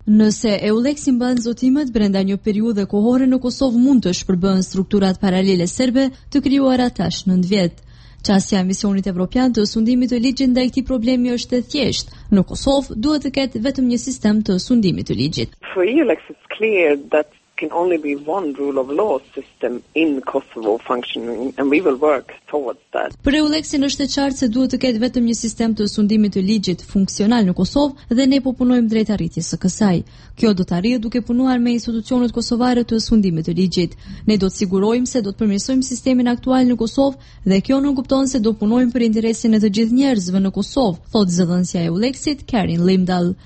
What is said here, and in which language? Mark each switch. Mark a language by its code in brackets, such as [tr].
[sq] Nëse EULEX i mban zotimet brenda një periudhe kohore në Kosovë mund të shpërbëhen strukturat paralele serbe të krijuara tash 9 vjet. Qasja misionit evropian të sundimit të ligjit ndaj këtij problemi është e thjeshtë. Në Kosovë duhet të ketë vetëm një sistem të sundimit të ligjit. [en] For EULEX it's clear that can only be one rule of law system in Kosovo functioning and we will work towards that. [sq] Për EULEX-in është e qartë se duhet të ketë vetëm një sistem të sundimit të ligjit funksional në Kosovë dhe ne po punojmë drejt arritjes së kësaj. Kjo do të arrihet duke punuar me institucionet kosovare të sundimit të ligjit. Ne do të sigurojmë se do të përmirësojmë sistemin aktual në Kosovë dhe kjo nuk kupton se do punojmë për interesin e të gjithë njerëzve në Kosovë, thot zëdhënësja e EULEX-it Karin Limdal.